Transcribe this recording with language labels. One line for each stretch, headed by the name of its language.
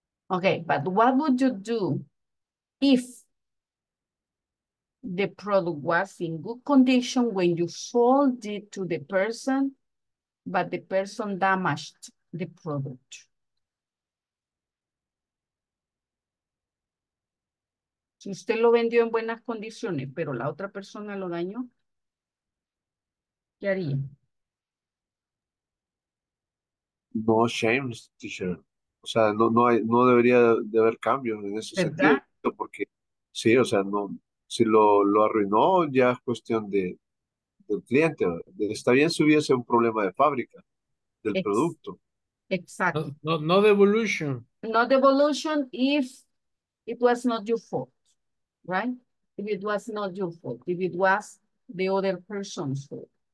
English: Okay, but what would you do if the product was in good condition when you sold it to the person, but the person damaged the product?
Spanish: Si usted lo vendió en buenas condiciones, pero la otra persona lo dañó, ¿qué haría?
English: No shame, teacher.
Spanish: O sea, no debería de haber cambio en ese sentido, porque sí, o sea, no, si lo arruinó, ya es cuestión del cliente. Está bien si hubiese un problema de fábrica del producto. Exacto.
English: No devolution. No devolution if it was not your fault, right? If it was not your fault, if it was the other person's fault.